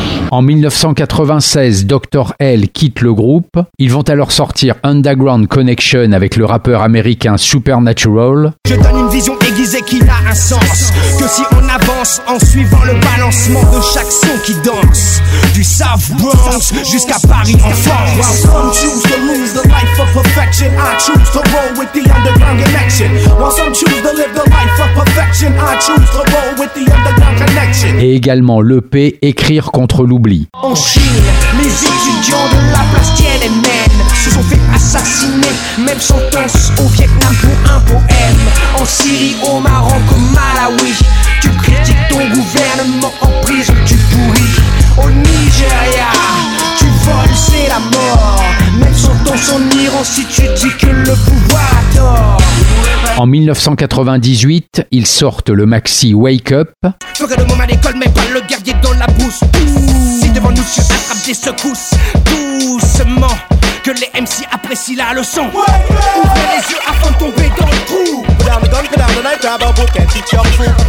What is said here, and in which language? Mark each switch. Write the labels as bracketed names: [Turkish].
[French] En 1996, Dr. L quitte le groupe. Ils vont alors sortir Underground Connection avec le rappeur américain Supernatural. Je donne une vision aiguisée qui n'a un sens que si on avance en suivant le balancement de chaque son qui danse. Du South Bronx jusqu'à Paris en France. [English] While some choose to lose the life of perfection, I choose to roll with the underground connection. While some choose to live the life of perfection, I choose to roll with the underground connection. [French] Et également l'EP Écrire contre l'oubli. En Chine, les étudiants de la place Tiananmen se sont fait assassiner, même sentence au Vietnam pour un poème. En Syrie, au Maroc, au Malawi, tu critiques ton gouvernement, en prison tu pourris. Au Nigeria, tu voles, c'est la mort, même sentence en Iran si tu dis que le pouvoir a tort. En 1998, ils sortent le maxi Wake Up. Je ferai le môme à l'école, mais pas le guerrier dans la brousse. Si devant nous tu attrapes des secousses, doucement, que les MC apprécient la leçon. Ouvrez les yeux avant de tomber dans le trou. [English] Down the gun, put down the knife, grab a book and teach your fool.